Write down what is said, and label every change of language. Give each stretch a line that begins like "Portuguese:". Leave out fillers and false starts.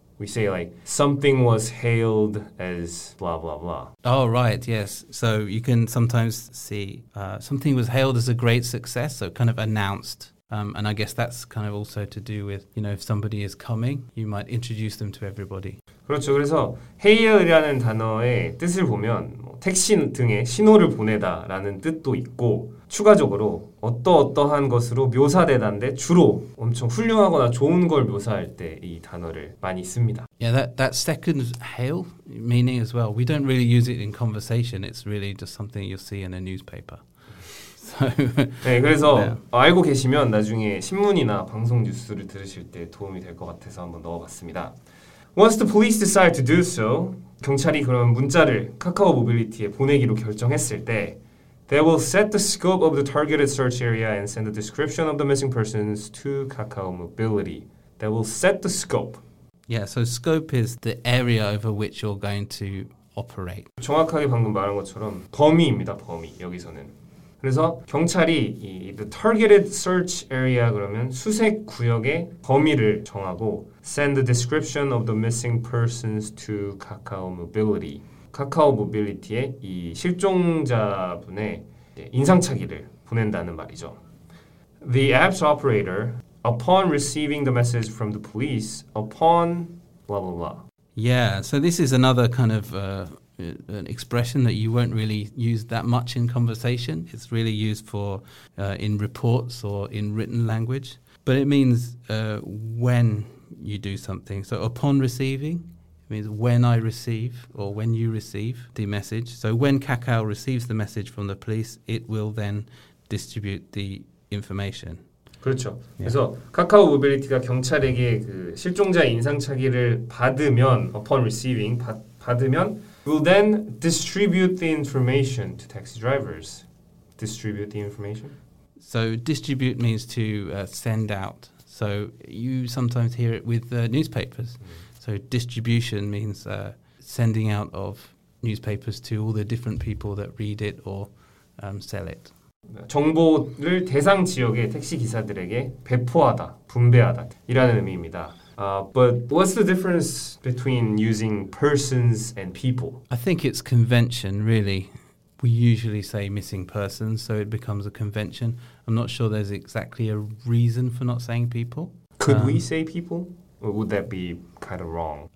English: We say like something was hailed as blah, blah, blah. Oh, right. Yes. So you can sometimes see something was hailed as a great success. So kind of announced. And I guess that's kind of also to do with, you know, if somebody is coming, you might introduce them to everybody.
Korean: 그렇죠. 그래서 hail이라는 단어의 뜻을 보면 뭐, 택시 등의 신호를 보내다라는 뜻도 있고 추가적으로 어떠어떠한 것으로 묘사되다는데 주로 엄청 훌륭하거나 좋은 걸 묘사할 때 이 단어를 많이 씁니다.
English: Yeah, that second hail meaning as well. We don't really use it in conversation. It's really just something you'll see in a newspaper.
Korean: 네, 그래서 yeah. 알고 계시면 나중에 신문이나 방송 뉴스를 들으실 때 도움이 될 것 같아서 한번 넣어봤습니다.
English: Once the police decide to do so, 경찰이 그러면 문자를 카카오 모빌리티에 보내기로 결정했을 때 they will set the scope of the targeted search area and send the description of the missing persons to Kakao Mobility. They will set the scope. Yeah, so scope is the area over which you're going to operate.
Korean: 정확하게 방금 말한 것처럼 범위입니다, 범위, 여기서는. 그래서 경찰이 이 the targeted search area 그러면 수색 구역의 범위를 정하고 send the description of the missing persons to Kakao Mobility. 카카오 모빌리티에 이 실종자분의 인상착의를 보낸다는 말이죠.
English: The app's operator, upon receiving the message from the police, upon blah blah blah. Yeah, so this is another kind of an expression that you won't really use that much in conversation. It's really used for in reports or in written language. But it means when you do something. So upon receiving means when I receive or when you receive the message. So when Kakao receives the message from the police, it will then distribute the information.
Korean: 그렇죠. Yeah. 그래서 카카오 모빌리티가 경찰에게 그 실종자 인상착의를 받으면 upon receiving 받으면 will then distribute the information to taxi drivers.
English: Distribute the information? So distribute means to send out. So you sometimes hear it with newspapers. Mm. So distribution means sending out of newspapers to all the different people that read it or sell it.
Korean: 정보를 대상 지역의 택시 기사들에게 배포하다, 분배하다 이라는 의미입니다.
English: But what's the difference between using persons and people? I think it's convention, really. We usually say missing persons, so it becomes a convention. I'm not sure there's exactly a reason for not saying people. Could we say people? Or would that be kind of wrong?